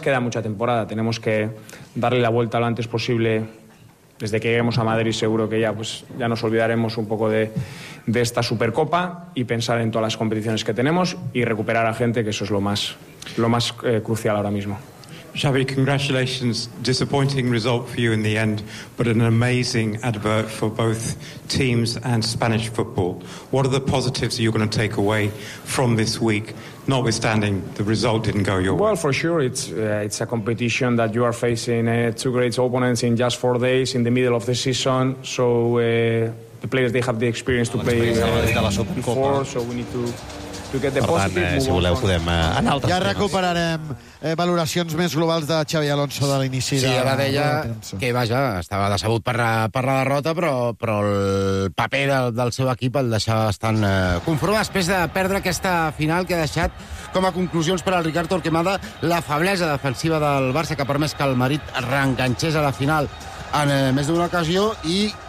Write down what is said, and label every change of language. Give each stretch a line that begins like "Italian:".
Spanish: Queda mucha temporada, tenemos que darle la vuelta lo antes posible. Desde que lleguemos a Madrid seguro que ya, pues, ya nos olvidaremos un poco de esta Supercopa y pensar en todas las competiciones que tenemos y recuperar a gente, que eso es lo más crucial ahora mismo.
English: Xavi, congratulations. Disappointing result for you in the end, but an amazing advert for both teams and Spanish football. What are the positives you're going to take away from this week, notwithstanding the result didn't go your way? Well, for sure, it's a competition that you are facing two great opponents in just 4 days in the middle of the season. So the players, they have the experience to play before, so we need to...
Catalan: Si voleu, podem anar altres. Ja recuperarem valoracions més globals de Xavi Alonso de l'inici. Sí, ara deia que, vaja, estava decebut per la derrota, però el paper del seu equip el deixava bastant conformat després de perdre aquesta final, que ha deixat com a conclusions per al Ricard Torquemada la feblesa defensiva del Barça, que ha permès que el Madrid reenganxés a la final en més d'una ocasió, i